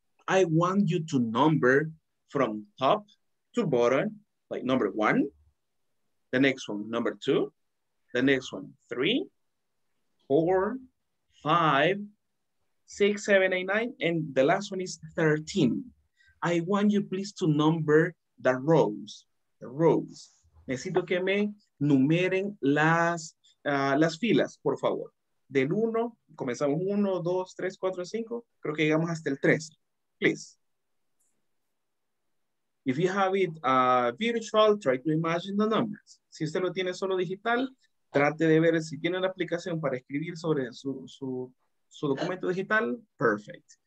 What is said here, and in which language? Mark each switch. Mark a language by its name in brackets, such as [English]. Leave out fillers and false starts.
[English] I want you to number from top to bottom, like number one, the next one, number two, the next one, 3, 4, 5, 6, 7, 8, 9, and the last one is 13. I want you please to number the rows, the rows. [Spanish] Necesito que me numeren las filas, por favor. Del 1, comenzamos 1, 2, 3, 4, 5, creo que llegamos hasta el 3, [English] please. If you have it virtual, try to imagine the numbers. [Spanish] Si usted lo tiene solo digital, trate de ver si tiene una aplicación para escribir sobre su documento digital, perfect.